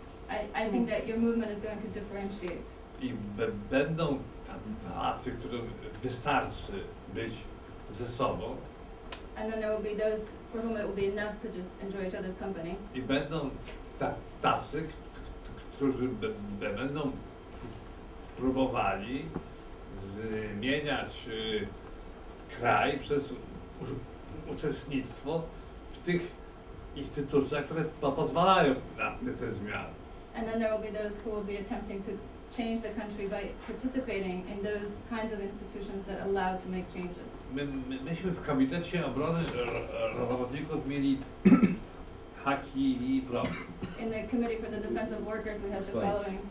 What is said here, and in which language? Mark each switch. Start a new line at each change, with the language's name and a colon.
English: I think that your movement is going to differentiate.
Polish: I będą tacy, którym wystarczy być ze sobą.
English: And then there will be those for whom it will be enough to just enjoy each other's company.
Polish: I będą tacy, którzy będą próbowali zmieniać kraj przez uczestnictwo w tych instytucjach, które pozwalają na te zmiany.
English: And then there will be those who will be attempting to change the country by participating in those kinds of institutions that allow to make changes.
Polish: Myśmy w Komitecie Obrony Robotników mieli haki i problem.
English: In the Committee for the Defense of Workers we had the following.